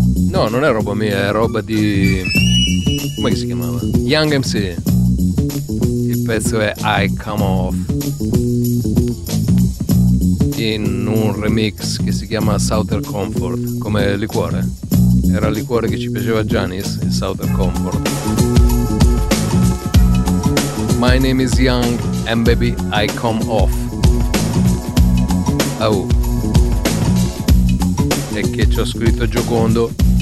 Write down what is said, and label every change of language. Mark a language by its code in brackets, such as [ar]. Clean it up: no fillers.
[it] No, non è roba mia, è roba di... come si chiamava? Young MC. Il pezzo è I Come Off, in un remix che si chiama Southern Comfort, come liquore. Era il liquore che ci piaceva a Giannis, il Southern Comfort. [en] My name is Young and baby I come off. [it] Oh. E che ci ho scritto Giocondo.